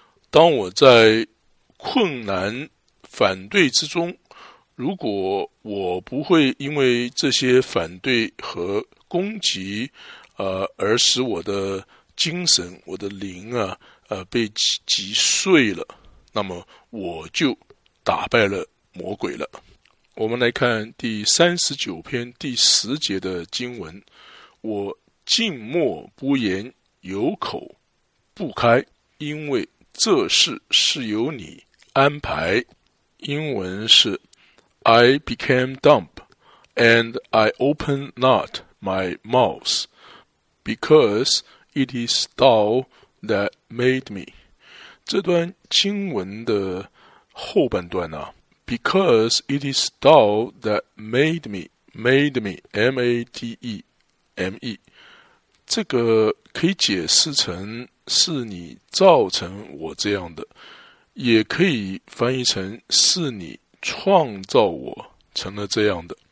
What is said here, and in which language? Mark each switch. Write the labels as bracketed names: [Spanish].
[Chinese] 当我在困难反对之中，如果我不会因为这些反对和攻击而使我的精神，我的灵啊被击碎了，那么我就打败了魔鬼了。我们来看第39篇第10节的经文，我静默不言，有口不开，因为这事是由你安排。英文是 [English] I became dumb and I open not my mouth because it is thou that made me。 [Chinese] 这段经文的后半段啊， [English] because it is thou that made me， made me M-A-D-E-M-E， [Chinese] 这个可以解释成是你造成我这样的，也可以翻译成是你创造我成了这样的。